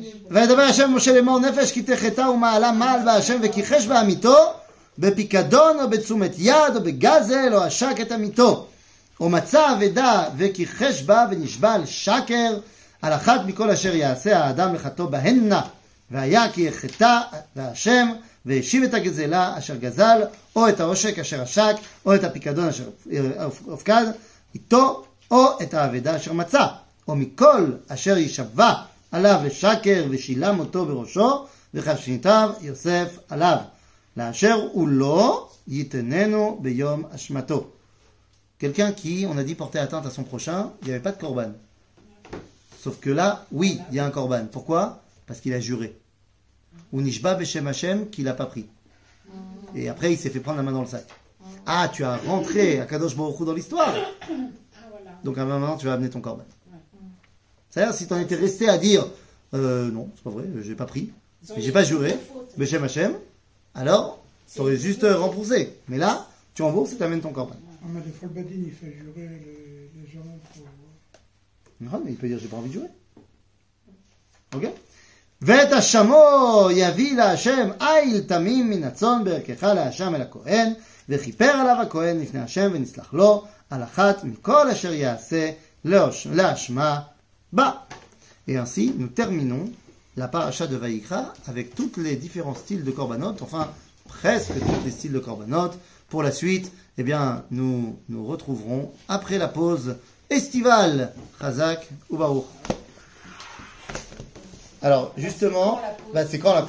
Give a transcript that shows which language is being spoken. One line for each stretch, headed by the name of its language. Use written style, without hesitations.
Hebrew: וידבר השם משה לאמור נפש כי תחטא ומעלה מעל והשם וכיחש בעמיתו בפיקדון או בתשומת יד או בגזל או השק את עמיתו או מצא אבדה וכיחש בה ונשבע על שקר על אחת מכל אשר יעשה האדם לחטאו בהנה והיה כי יחטא והשם והשיב את הגזלה אשר גזל או את העושק אשר השק או את הפיקדון אשר הופקד איתו או את האבדה אשר מצא או מכל אשר ישבע עליו ושקר ושילם אותו בראשו וחשניתיו יוסף עליו לאשר הוא לא ייתננו ביום אשמתו.
French: Quelqu'un qui on a dit porter atteinte à son prochain, il n'y avait pas de corban. Sauf que là, oui, il y a un corban. Pourquoi? Parce qu'il a juré.
Hebrew: Ou nishba beshem Hashem
French: qu'il n'a pas pris. Et après, il s'est fait prendre la main dans le sac. Ah, tu as rentré à Kadosh Baruch Hu dans l'histoire. Donc à un moment, tu vas amener ton corban. C'est-à-dire, si tu en étais resté à dire non, c'est pas vrai, je n'ai pas pris, mais je n'ai pas juré, mais j'aime Hachem, alors tu aurais juste remboursé. Mais là, tu rembourses et tu amènes ton corban. Ah, mais des fois le badin, il fait jurer les gens pour. Non, mais il peut dire, j'ai pas envie de jurer.
Hebrew: Ok? Vet Hachamo, Yavi la Hachem, Aïl Tamim, Minatzon, Berkecha, la Hacham, la Kohen. וחיפר עליו הכהן לפני השם ונסלח לו על אחת מכל אשר יעשה להשמה בה.
French: Et ainsi, nous terminons la parasha de Vaikra avec toutes les différents styles de korbanot, enfin presque tous les styles de korbanot. Pour la suite, eh bien, nous nous retrouverons après la pause estivale.
Hebrew: Chazak ou Baruch.
French: Alors, justement, c'est quand la